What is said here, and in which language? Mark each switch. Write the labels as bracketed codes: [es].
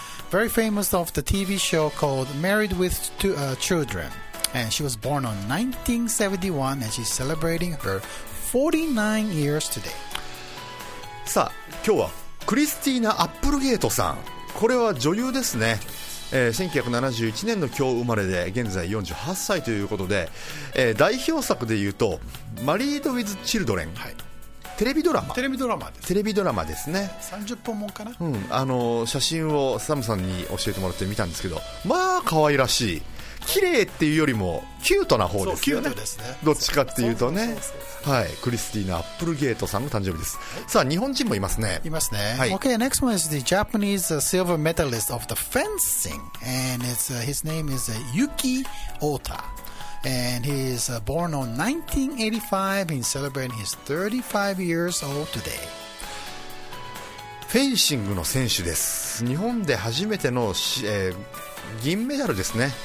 [en] Very famous of the TV show called Married with Children. And she was born on 1971 and she's celebrating her 49 years today. [ja] さあ今日はクリスティーナ・アップルゲートさん、これは女優ですね、1971年の今日生まれで現在48歳ということで、代表作でいうとマリード・ウィズ・チルドレン、はい、テレビドラマ、テレビドラマですね、 30本もんかな、うん、写真をサムさんに教えてもらって見たんですけど、まあ可愛らしい、綺麗っていうよりもキュートな方ですよ ね、そうキュートですね、どっちかっていうとね、はい、クリスティーナ・アップルゲートさんの誕生日です、はい、さあ日本人もいますね、いますね、はい、 [en] OK, next one is the Japanese silver medalist of the fencing and it's, his name is Yuki Ota and he is born on 1985 and celebrating his 35 years old today。 [ja] フェンシングの選手です、日本で初めての銀メダルですね、